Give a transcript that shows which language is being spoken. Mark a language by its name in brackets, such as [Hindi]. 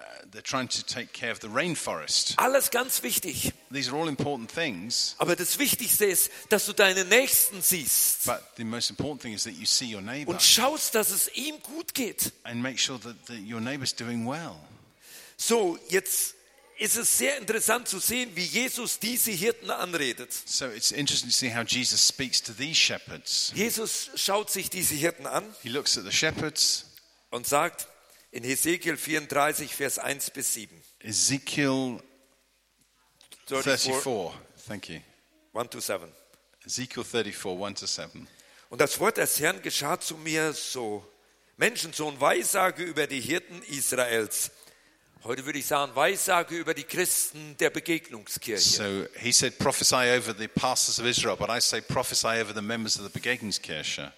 [English] They're trying to take care of the rainforest. [German] Alles ganz wichtig. [English] These are all important things. [German] Aber das Wichtigste ist, dass du deinen Nächsten siehst. [English] But the most important thing is that you see your neighbor. [German] Und schaust, dass es ihm gut geht. [English] And make sure that your neighbor's doing well. [German] So, jetzt ist es sehr interessant zu sehen, wie Jesus diese Hirten anredet. [English] So it's interesting to see how Jesus speaks to these shepherds. [German] Jesus schaut sich diese Hirten an. [English] He looks at the shepherds. [German] Und sagt, in Hesekiel 34, Vers 1 bis 7. [English] Ezekiel 34, thank you. 1 to 7. Ezekiel 34, 1 to 7. [German] Und das Wort des Herrn geschah zu mir so: Menschensohn, weissage über die Hirten Israels. Heute würde ich sagen, weissage über die Christen der Begegnungskirche. [English] So he said, prophesy over the pastors of Israel, but I say, prophesy over the members of the Begegnungskirche.